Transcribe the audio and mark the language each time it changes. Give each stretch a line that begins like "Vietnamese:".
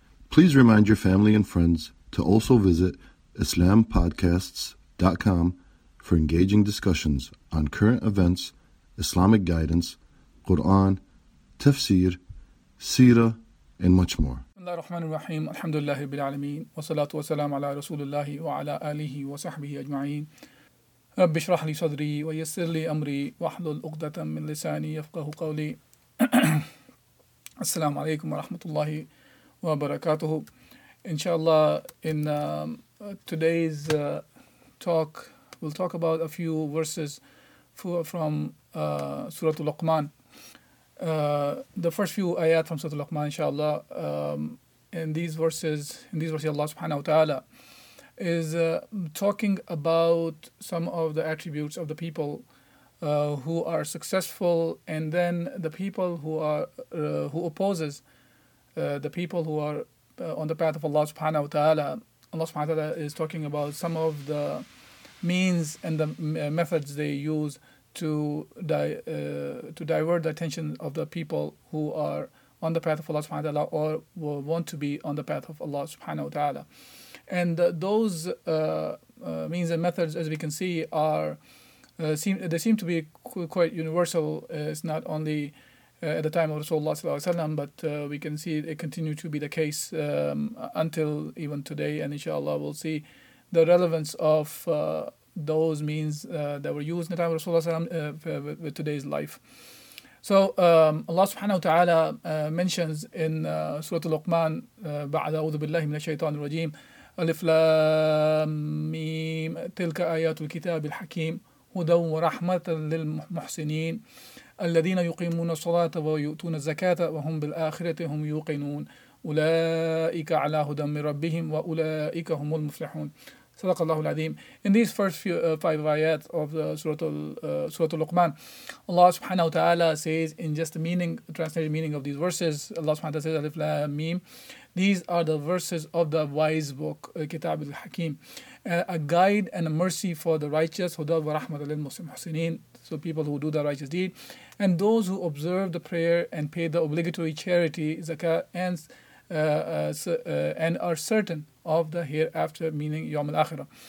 English: Please remind your family and friends to also visit IslamPodcasts.com for engaging discussions on current events, Islamic guidance, Quran, tafsir, seerah, and much more.
Arabic: الله الرحمن الرحيم الحمد لله رب العالمين والصلاة والسلام على رسول الله وعلى آله وصحبه أجمعين رب اشرح لي صدري ويسر لي أمري واحلل عقدة من لساني يفقه قولي السلام عليكم ورحمة الله وبركاته إن شاء الله
English: in today's talk we'll talk about a few verses from
Arabic: سورة لقمان.
English: The first few ayat from Surah Al-Luqman, inshallah, in these verses, Allah subhanahu wa ta'ala is talking about some of the attributes of the people who are successful, and then the people who are who opposes the people who are on the path of Allah subhanahu wa ta'ala. Allah subhanahu wa ta'ala is talking about some of the means and the methods they use to divert the attention of the people who are on the path of Allah subhanahu wa ta'ala or will want to be on the path of Allah subhanahu wa ta'ala. And those means and methods, as we can see, seem to be quite universal. It's not only at the time of Rasulullah sallallahu alaihi wasallam, but we can see it continue to be the case until even today. And inshallah, we'll see the relevance of those means that were used in the time of Rasulullah sallallahu alaihi wasallam with today's life. So Allah subhanahu wa ta'ala mentions in Surah Al-Luqman,
Arabic: بعد أعوذ بالله من الشيطان الرجيم ألف لام ميم تلك آيات الكتاب الحكيم هدى ورحمة للمحسنين الذين يقيمون الصلاة ويؤتون الزكاة وهم بالآخرة هم يوقنون أولئك على هدى من ربهم وأولئك هم المفلحون. Sadaqallahu al-Azim.
English: In these first few five ayat of the Surah Al-Luqman, Allah subhanahu wa ta'ala says in just the meaning, translated meaning of these verses, Allah subhanahu wa ta'ala says, Alif Lam Mim, these are the verses of the wise book, Kitab al-Hakim, a guide and a mercy for the righteous, Huda wa rahmat al-Muhsinin, so people who do the righteous deed, and those who observe the prayer and pay the obligatory charity, zakat, and are certain of the hereafter, meaning Yawm al-Akhirah.